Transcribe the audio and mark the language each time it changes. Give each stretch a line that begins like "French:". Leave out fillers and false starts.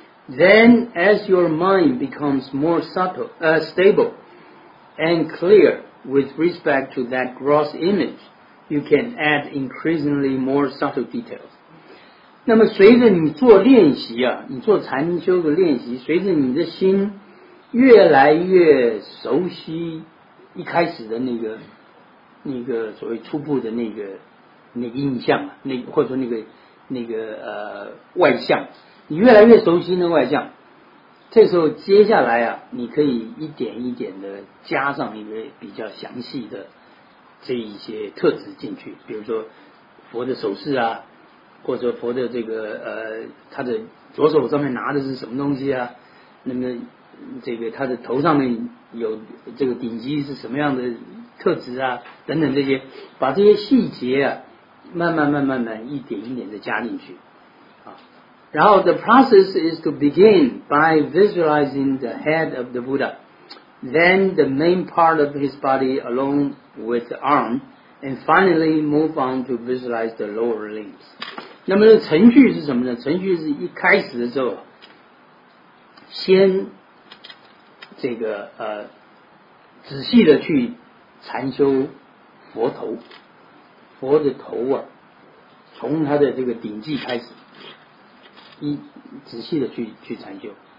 English: Then as your mind becomes more subtle, stable and clear with respect to that gross image, you can add increasingly more subtle details.
Chinese: 那么随着你做练习啊，你做禅修的练习，随着你的心越来越熟悉一开始的那个所谓初步的那个印象，那或者说那个外相，你越来越熟悉那外相，这时候接下来啊，你可以一点一点的加上一个比较详细的这一些特质进去，比如说佛的手势啊，或者佛的这个他的左手上面拿的是什么东西啊，那么这个他的头上面有这个顶级是什么样的特质啊，等等这些，把这些细节啊，慢慢一点一点的加进去。然后
English: the process is to begin by visualizing the head of the Buddha, then the main part of his body along with the arm, and finally move on to visualize the lower limbs.
Chinese: 那么程序是什么呢？程序是一开始的时候，先这个仔细的去禅修佛头，佛的头啊，从他的这个顶髻开始。一仔细的去禅修，